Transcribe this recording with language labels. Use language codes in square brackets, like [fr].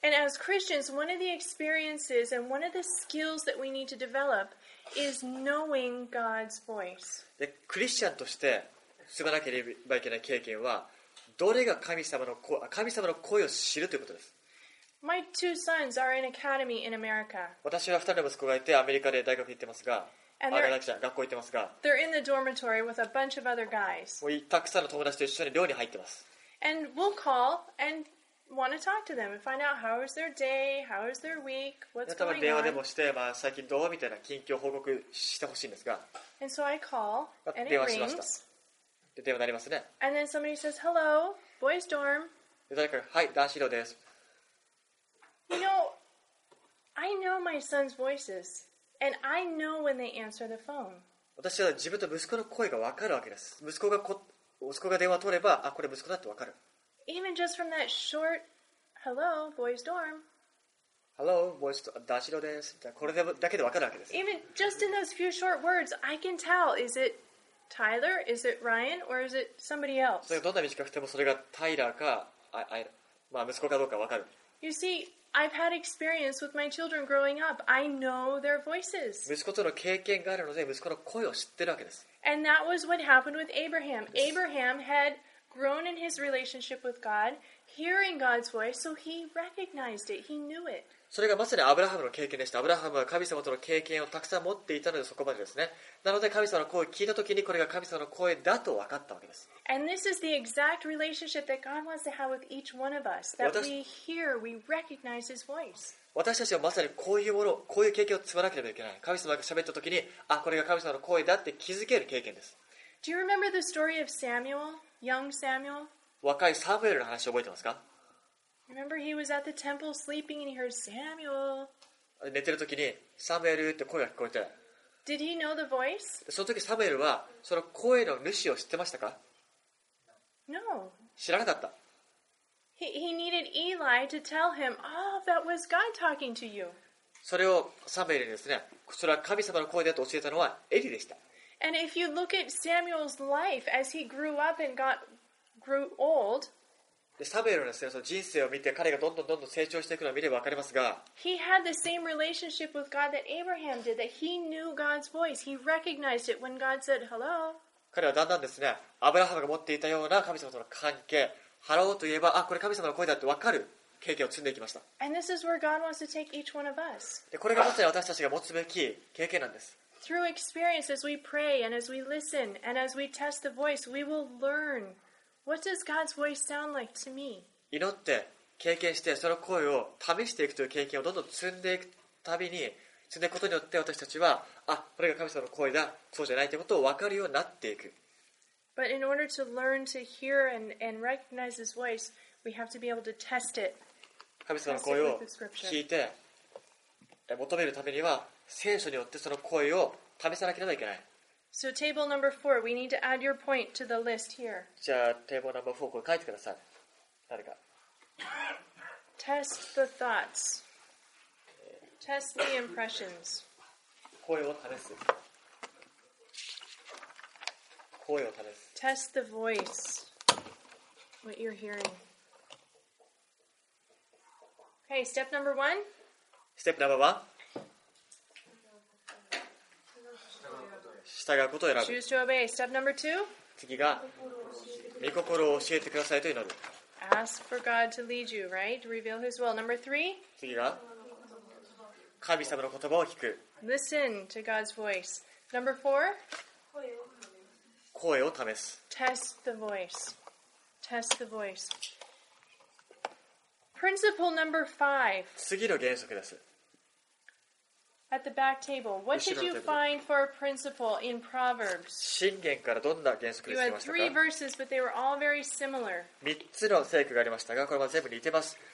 [en] And as Christians, one of the experiences and one of the skills that we need to develop is knowing God's voice. [ja] で、クリスチャンとして積まなければいけない経験は、どれが神様の声を知るということです。 [en] My two sons are in academy in America. [ja] 私は二人の息子がいてアメリカで大学行ってますが、学校行ってますが、 [en] they're in the dormitory with a bunch of other guys. [ja] もうたくさんの友達と一緒に寮に入ってます。 [en] And we'll call and want to talk to them and find out how is their day, how is their week, what's going on. [ja] 多分電話でもして、まあ、最近どうみたいな近況報告してほしいんですが。 [en] And so I call and it rings. [ja] で電話になりますね。 [en] And then somebody says, "Hello, boys' dorm." [ja] で誰か、はい、男子寮です。 [en] You know, I know my son's voices, and I know when they answer the phone. [ja] 私は自分と息子の声が分かるわけです。息子が電話を取れば、あ、これ息子だって分かる。 [en] Even just from that short, "Hello, boys' dorm." Hello, boys' dorm. [ja] 男子寮です。これだけで分かるわけです。 [en] Even just in those few short words, I can tell is itTyler? Is it Ryan? Or is it somebody else? [ja] それがどんな短くてもそれがタイラーか、まあ、息子かどうか分かる。 [en] You see, I've had experience with my children growing up. I know their voices. [ja] 息子との経験があるので息子の声を知ってるわけです。 [en] And that was what happened with Abraham. Abraham had grown in his relationship with God, hearing God's voice, so he recognized it. He knew it. [ja] それがまさにアブラハムの経験でした。アブラハムは神様との経験をたくさん持っていたのでそこまでですね。なので神様の声を聞いたときにこれが神様の声だと分かったわけです。 [en] And this is the exact relationship that God wants to have with each one of us, that we hear, we recognize His voice. [ja] 私たちはまさにこういうもの、こういう経験を積まなければいけない。神様が喋ったときに、あ、これが神様の声だって気づける経験です。 [en] Do you remember the story of Samuel, young Samuel? [ja] 若いサムエルの話を覚えてますか? [en] Remember he was at the temple sleeping and he heard Samuel. [ja] 寝てる時にサムエルって声が聞こえて。 [en] Did he know the voice? [ja] その時サムエルはその声の主を知ってましたか? [en] No. [ja] 知らなかった。 [en] He needed Eli to tell him, "Oh, that was God talking to you." [ja] それをサムエルにですね、それは神様の声だと教えたのはエリでした。 [en] And if you look at Samuel's life as he grew up and grew old, [ja] でサムエルのですね、その人生を見て彼がどんどんどんどん成長していくのを見れば分かりますが、 [en] He had the same relationship with God that Abraham did, that he knew God's voice. He recognized it when God said, "Hello." [ja] 彼はだんだんですね、アブラハムが持っていたような神様との関係、ハローと言えば、あ、これ神様の声だって分かる経験を積んでいきました。 [en] And this is where God wants to take each one of us. [ja] でこれがまさに私たちが持つべき経験なんです。 [en] Through experience, as we pray and as we listen and as we test the voice, we will learn. What does God's voice sound like to me? [ja] 祈って経験してその声を試していくという経験をどんどん積んでいくたびに積んでいくことによって私たちはあ、これが神様の声だそうじゃないということを分かるようになっていく。 [en] But in order to learn to hear and recognize His voice, we have to be able to test it. [ja] 神様の声を聞いて求めるためには聖書によってその声を試さなければいけない。 [en] So table number four, we need to add your point to the list here. [ja] じゃあ、 [en] table number four、 [ja] これ書いてください。誰か。 [en] Test the thoughts. Test the impressions. [ja] 声を試す。声を試す。 [en] Test the voice. What you're hearing. Okay, step number one. Step number one. [ja] 従うことを選ぶ。 [en] Choose to obey. Step number two. [ja] 次が御心を教えてくださいと祈る。 [en] Ask for God to lead you, right? Reveal His will. Number three. [ja] 次が神様の言葉を聞く。 [en] Listen to God's voice. Number four. [ja] 声を試す。 [en] Test the voice. Test the voice. Principle number five. [ja] 次の原則です。 [en] At the back table, what did you find for a principle in Proverbs? [ja] 箴言からどんな原則でしたか? [en] You had three verses, but they were all very similar. [ja] 三つの聖句がありましたが、これは全部似てます。